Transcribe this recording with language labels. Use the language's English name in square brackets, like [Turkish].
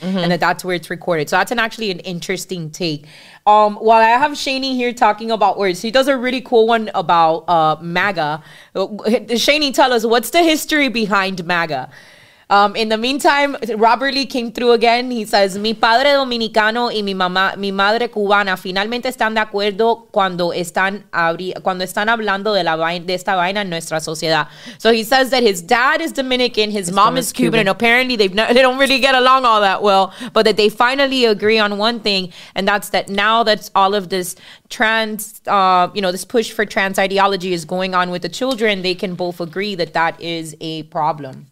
[English] Mm-hmm. And that's where it's recorded. So that's actually an interesting take. While I have Shaney here talking about words, he does a really cool one about MAGA. Shaney, tell us, what's the history behind MAGA? In the meantime, Robert Lee came through again. He says, [Spanish] mi padre dominicano y mi madre cubana finalmente están de acuerdo cuando están hablando de esta vaina en nuestra sociedad. [English] So he says that his dad is Dominican, his mom is Cuban, and apparently they don't really get along all that well, but that they finally agree on one thing, and that's that now that's all of this trans, this push for trans ideology is going on with the children, they can both agree that that is a problem.